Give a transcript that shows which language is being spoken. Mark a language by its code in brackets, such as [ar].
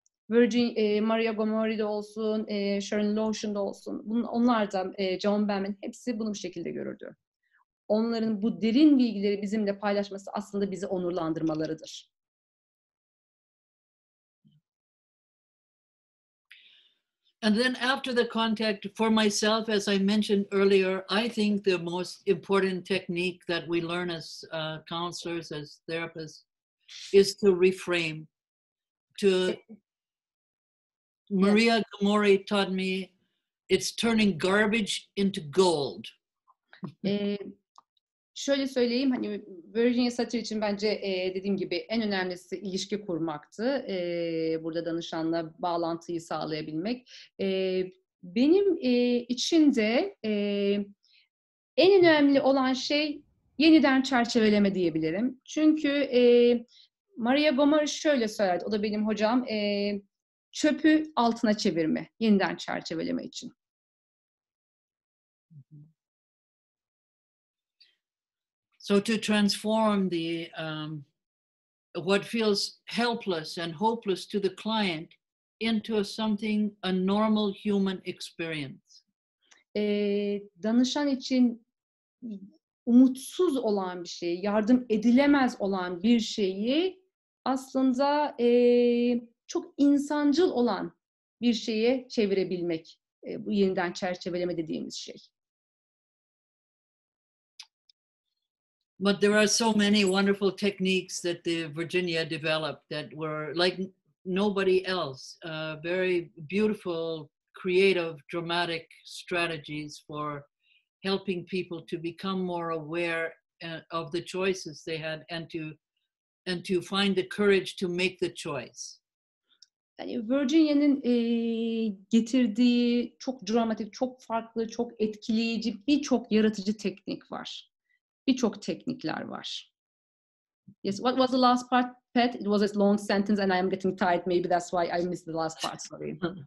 [tr] Maria Gomori de olsun, Sharon Lotion da olsun, onlardan John Bannum, hepsi bunu bu şekilde görürdü. Onların bu derin bilgileri bizimle paylaşması aslında bizi onurlandırmalarıdır. [en] And then after the contact, for myself, as I mentioned earlier, I think the most important technique that we learn as counselors, as therapists, is to reframe. To Maria Gamori taught me, it's turning garbage into gold. [tr] Şöyle söyleyeyim, hani Virginia Satir için bence dediğim gibi en önemlisi ilişki kurmaktı. Burada danışanla bağlantıyı sağlayabilmek. Benim için de en önemli olan şey yeniden çerçeveleme diyebilirim. Çünkü Maria Gomori şöyle söyledi, o da benim hocam, çöpü altına çevirme, yeniden çerçeveleme için. [en] So to transform the what feels helpless and hopeless to the client into something a normal human experience. [tr] Danışan için umutsuz olan bir şeyi, yardım edilemez olan bir şeyi aslında çok insancıl olan bir şeye çevirebilmek, bu yeniden çerçeveleme dediğimiz şey. [en] But there are so many wonderful techniques that the Virginia developed that were like nobody else, very beautiful, creative, dramatic strategies for helping people to become more aware of the choices they had and to find the courage to make the choice. [tr] Yani Virginia'nın getirdiği çok dramatik, çok farklı, çok etkileyici birçok yaratıcı teknik var. Birçok teknikler var. [en] Yes, what was the last part, Pat? It was a long sentence and I am getting tired. Maybe that's why I missed the last part, sorry.